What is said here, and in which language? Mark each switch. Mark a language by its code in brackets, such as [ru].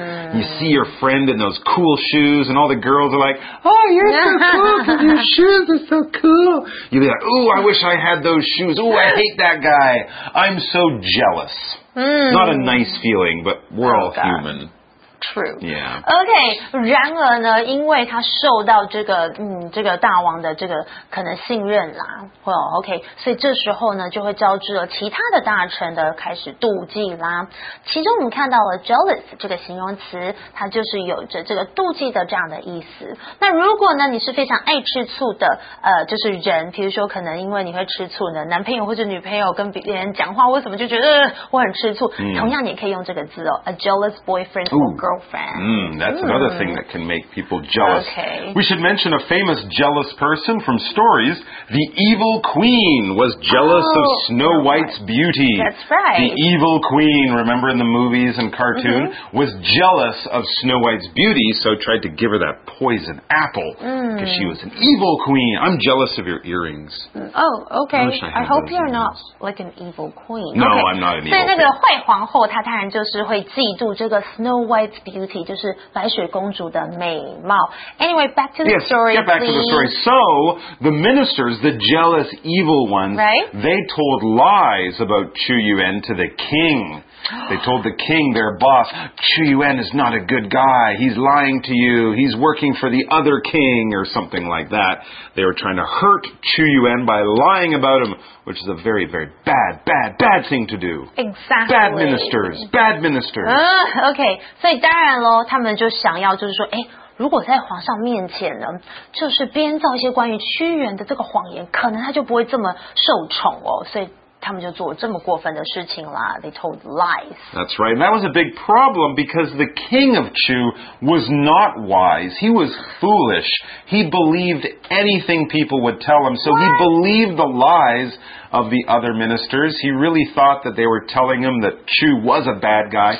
[en] You see your friend in those cool shoes and all the girls are like, oh, you're so cool because your shoes are so cool. You'd be like, oh, I wish I had those shoes. Oh, I hate that guy. I'm so jealous. Not a nice feeling, but we're all human. True. Yeah. [zh] OK, 然而呢，因为他受到这个这个大王的这个可能信任啦，OK, 所以这时候呢就会招致了其他的大臣的开始妒忌啦。其中我们看到了 jealous 这个形容词，它就是有着这个妒忌的这样的意思。那如果呢你是非常爱吃醋的就是人，比如说可能因为你会吃醋呢，男朋友或者女朋友跟别人讲话为什么就觉得我很吃醋，同样你可以用这个字哦， [en] a jealous boyfriend girlfriend. That's another thing that can make people jealous. Okay. We should mention a famous jealous person from stories. The evil queen was jealous of Snow White's beauty. That's right. The evil queen, remember in the movies and cartoon, was jealous of Snow White's beauty, so tried to give her that poison apple because she was an evil queen. I'm jealous of your earrings. Okay. I hope you're not like an evil queen. No, I'm not an evil queen. [zh] 所以那个坏皇后她当然就是会嫉妒这个 [en] Snow White White's beauty, [zh] 就是白雪公主的美貌。 [en] Anyway, back to the story. Yes, get back to the story. So, the ministers, the jealous evil ones, they told lies about Chu Yuan to the king. They told the king, their boss, Chu Yuan is not a good guy. He's lying to you. He's working for the other king or something like that. They were trying to hurt Chu Yuan by lying about him, which is a very, very bad, bad, bad thing to do. Exactly. Bad ministers. Bad ministers. Okay. [zh] 所以当然咯，他们就想要就是说，如果在皇上面前呢，就是编造一些关于屈原的这个谎言，可能他就不会这么受宠哦。所以他们就做了这么过分的事情啦。 [en] They told lies. That's right. And that was a big problem because the king of Chu was not wise. He was foolish. He believed anything people would tell him. So he believed the lies of the other ministers. He really thought that they were telling him that Chu was a bad guy.